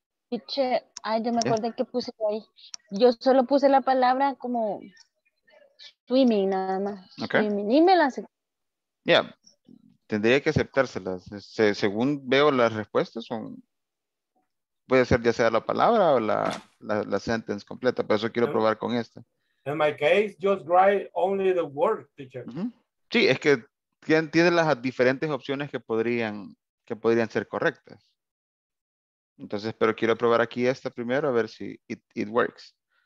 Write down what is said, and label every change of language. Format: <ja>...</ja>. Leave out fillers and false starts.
<es>Teacher, ay, yo me acordé que puse ahí. Yo solo puse la palabra como swimming, nada más.</es> <en>Okay.</en> <es>Swimming. Y me la acepté. Yeah, tendría que aceptárselas. Según veo las respuestas son, puede ser ya sea la palabra o la sentence completa, pero eso quiero probar con esta.</es> <en>In my case, just write only the word, teacher.</en> <es>Sí, es que tiene las diferentes opciones que podrían ser correctas. Entonces, pero quiero probar aquí esta primero a ver si</es> <en>it works.</en>